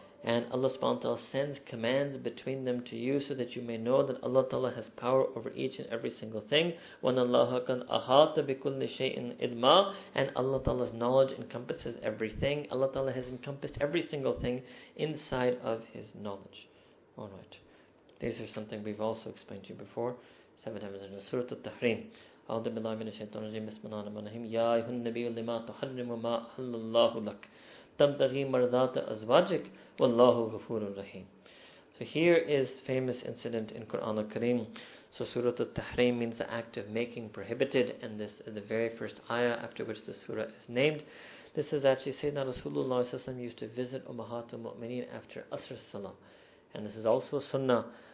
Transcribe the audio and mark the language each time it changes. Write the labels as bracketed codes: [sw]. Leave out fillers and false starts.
[en] And Allah subhanahu wa ta'ala sends commands between them to you so that you may know that Allah ta'ala has power over each and every single thing. [ar] وَنَ اللَّهَ كَنْ أَحَاطَ بِكُلِّ شَيْءٍ إِلْمًا. [en] And Allah ta'ala's knowledge encompasses everything. Allah ta'ala has encompassed every single thing inside of His knowledge. Alright. These are something we've also explained to you before. Seven times in Surah Al-Tahrim. [ar] أعوذ بالله من الشيطان الرجيم بسم الله الرحمن الرحيم يا أيها النبي لما تحرم ما أحل الله لك تبتغي مرضات أزواجك والله غفور رحيم. [en] So here is famous incident in Quran al-Kareem. So Surah al-Tahrim means the act of making prohibited, and this is the very first ayah after which the surah is named. This is actually Sayyidina Rasulullah used to visit Ummahat al-Mu'mineen after Asr Salah, and this is also a sunnah.